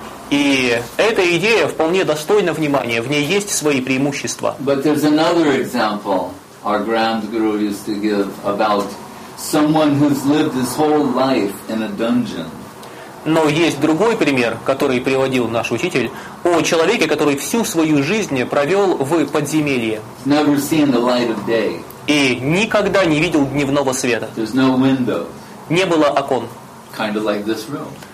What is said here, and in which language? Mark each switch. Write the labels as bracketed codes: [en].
[ru] И эта идея вполне достойна внимания, в ней есть свои преимущества. [en] But there's another example our grand guru used to give about someone who's lived his whole life in a dungeon. [ru] Но есть другой пример, который приводил наш учитель, о человеке, который всю свою жизнь провел в подземелье. [en] Never seen the light of day. [ru] И никогда не видел дневного света. Не было окон. [en] Kind of like this room.